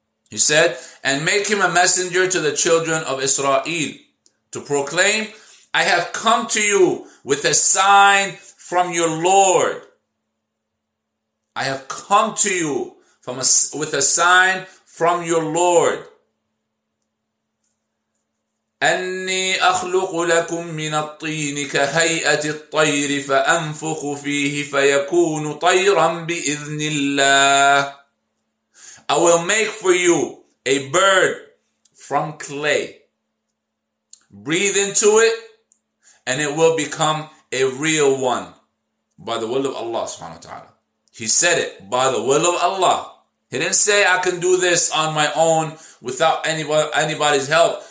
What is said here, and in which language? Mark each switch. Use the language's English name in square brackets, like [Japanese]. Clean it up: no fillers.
[English] He said, and make him a messenger to the children of Israel to proclaim, I have come to you with a sign from your Lord. I have come to you with a sign from your Lord. [Arabic] أني أخلق لكم من الطين كهيئة الطير فأنفخ فيه فيكون طيرا بإذن الله. [English] I will make for you a bird from clay. Breathe into it, and it will become a real one by the will of Allah subhanahu wa ta'ala. He said it by the will of Allah. He didn't say, I can do this on my own without anybody's help.